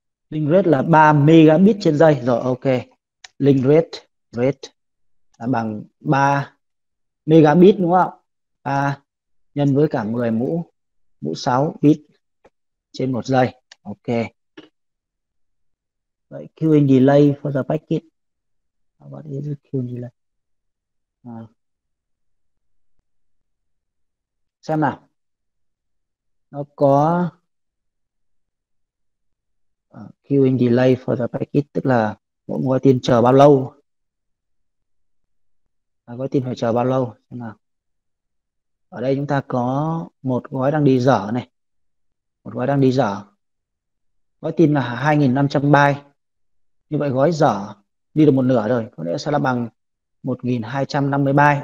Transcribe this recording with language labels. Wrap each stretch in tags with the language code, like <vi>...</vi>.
<vi>Link rate là 3 megabit trên giây. Rồi ok. Link rate rate là bằng 3 megabit đúng không? 3 nhân với cả 10 mũ mũ 6 bit trên 1 giây. Ok.</vi> <en>Vậy queuing delay for the packet. What is the queuing delay?</en> <vi>Xem nào, nó có queuing delay for the packet, tức là mỗi gói tin chờ bao lâu, gói tin phải chờ bao lâu. Xem nào, ở đây chúng ta có một gói đang đi dở này, một gói đang đi dở, gói tin là 2.500 byte, như vậy gói dở đi được một nửa rồi, có nghĩa sẽ là bằng 1.250 byte.</vi>